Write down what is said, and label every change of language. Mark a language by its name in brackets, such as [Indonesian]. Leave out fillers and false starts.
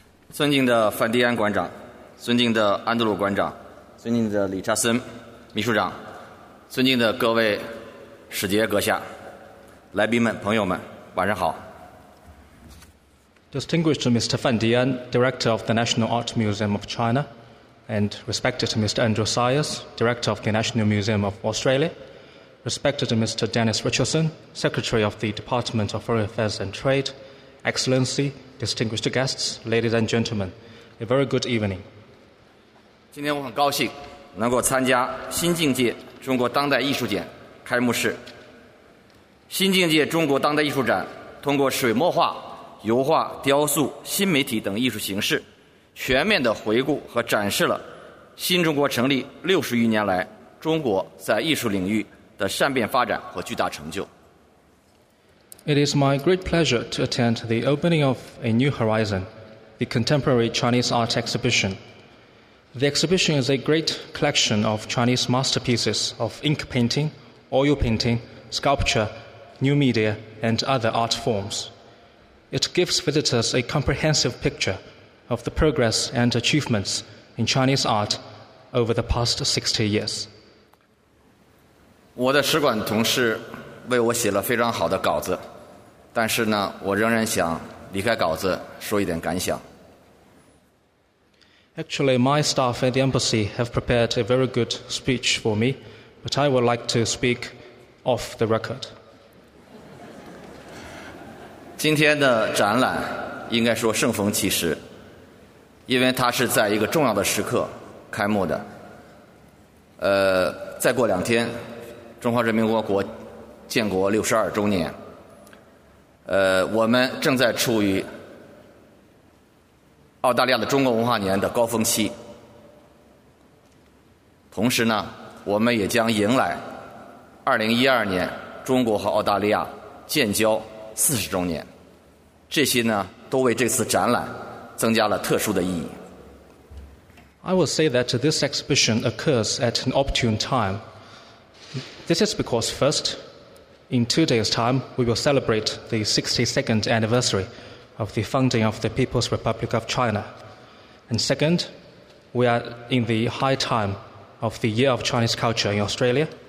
[Chinese] 尊敬的范迪安馆长，尊敬的安德鲁馆长，尊敬的李查森秘书长，尊敬的各位使节阁下，来宾们，朋友们，晚上好。 [English] Distinguished Mr. Fan Dian, Director of the National Art Museum of China, and respected Mr. Andrew Sayers, Director of the National Museum of Australia, respected Mr. Dennis Richardson, Secretary of the Department of Foreign Affairs and Trade, Excellency, distinguished guests, ladies and gentlemen, a very good evening. [Chinese] 今天我很高兴能够参加新境界中国当代艺术展开幕式。新境界中国当代艺术展通过水墨画、油画、雕塑、新媒体等艺术形式，全面地回顾和展示了新中国成立六十余年来中国在艺术领域的善变发展和巨大成就。 [English] It is my great pleasure to attend the opening of A New Horizon, the Contemporary Chinese Art Exhibition. The exhibition is a great collection of Chinese masterpieces of ink painting, oil painting, sculpture, new media, and other art forms. It gives visitors a comprehensive picture of the progress and achievements in Chinese art over the past 60 years. [Chinese] 我的使馆同事为我写了非常好的稿子，但是呢，我仍然想离开稿子说一点感想。 [English] Actually, my staff at the embassy have prepared a very good speech for me, but I would like to speak off the record. [Chinese] 今天的展览应该说盛逢其时，因为它是在一个重要的时刻开幕的。再过两天，中华人民共和国建国62周年。我们正在处于澳大利亚的中国文化年的高峰期。同时呢，我们也将迎来2012年中国和澳大利亚建交40周年。这些呢，都为这次展览增加了特殊的意义。 [English] I will say that this exhibition occurs at an opportune time. This is because first, in 2 days' time, we will celebrate the 62nd anniversary of the founding of the People's Republic of China. And second, we are in the high time of the Year of Chinese Culture in Australia.